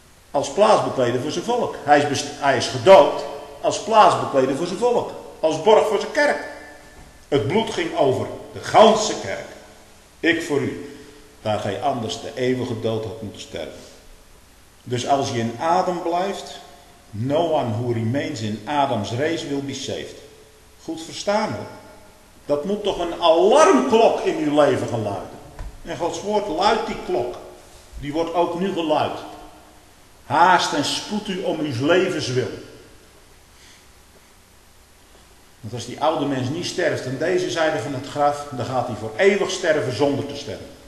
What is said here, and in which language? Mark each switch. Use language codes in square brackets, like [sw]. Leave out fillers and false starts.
[nl] Als plaatsbekleder voor zijn volk. Hij is gedoopt als plaatsbekleder voor zijn volk. Als borg voor zijn kerk. Het bloed ging over de ganse kerk. Ik voor u. Daar gij anders de eeuwige dood had moeten sterven. Dus als je in Adam blijft. [en] No one who remains in Adam's race will be saved. [nl] Goed verstaan hoor. Dat moet toch een alarmklok in uw leven gaan luiden. En Gods woord luidt die klok. Die wordt ook nu geluid. Haast en spoed u om uw levens wil. Want als die oude mens niet sterft aan deze zijde van het graf, dan gaat hij voor eeuwig sterven zonder te sterven.